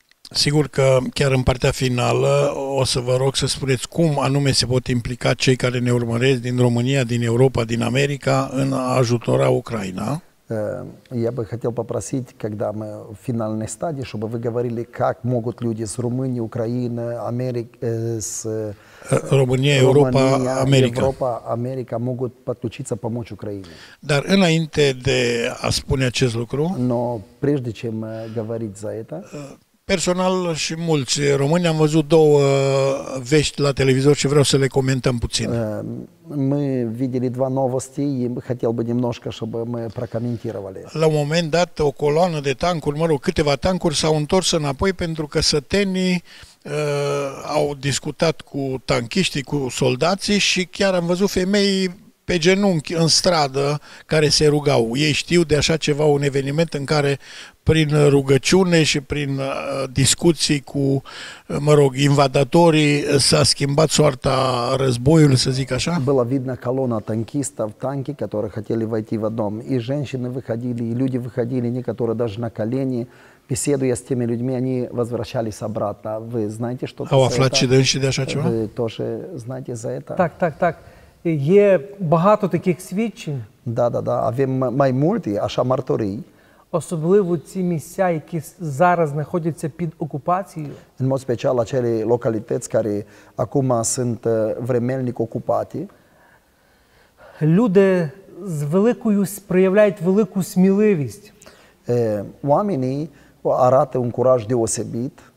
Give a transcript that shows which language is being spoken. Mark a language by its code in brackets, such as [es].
[ro] Sigur că chiar în partea finală o să vă rog să spuneți cum anume se pot implica cei care ne urmăresc din România, din Europa, din America în ajutora Ucraina. [ru] Я бы хотел попросить, когда мы в финальной стадии, чтобы вы говорили, как могут люди с Румынии, Украины, Америки, с Румынии, Европа, Америка. Европа, Америка могут подключиться помочь Украине. [ro] Dar înainte de a spune acest lucru, [ru] но прежде чем говорить за это, [ro] personal și mulți români am văzut două vești la televizor și vreau să le comentăm puțin. [ru] Мы видели два новости и хотел бы немножко, чтобы мы прокомментировали. [ro] La un moment dat, o coloană de tancuri, mă rog, câteva tancuri s-au întors înapoi pentru că sătenii au discutat cu tanchiștii, cu soldații și chiar am văzut femei pe genunchi în stradă care se rugau. Ei știu de așa ceva, un eveniment în care prin rugăciune și prin discuții cu, mă rog, invadatorii s-a schimbat soarta războiului, să zic așa. [ru] Была видна колона танкистов, танки, которые хотели войти в дом, и женщины выходили, и люди выходили, некоторые даже на колени. Беседуя с теми людьми, они возвращались обратно. Вы знаете, что это? А вы знаете за это? Вы тоже знаете за это? [uk] Так, так, так. Є багато таких свідчень. [ro] Да, avem mai multe așa martorii. [uk] Особливо ці місця, які зараз знаходяться під окупацією. [ro] În mod special acele localități care acum sunt vremelnic ocupate. [uk] Люди з великою проявляють велику сміливість. [ro] Oamenii arată un curaj deosebit.